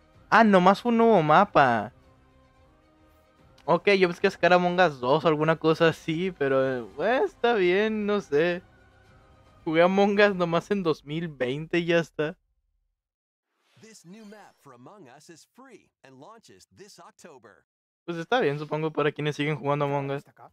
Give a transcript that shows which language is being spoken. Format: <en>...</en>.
<es>¡Ah! ¡Nomás un nuevo mapa! Ok, yo pensé que sacara Among Us 2 o alguna cosa así, pero... está bien, no sé. Jugué Among Us nomás en 2020 y ya está.</es> <en>This new map for Among Us is free and launches this October.</en> <es>Pues está bien, supongo, para quienes siguen jugando Among Us.</es>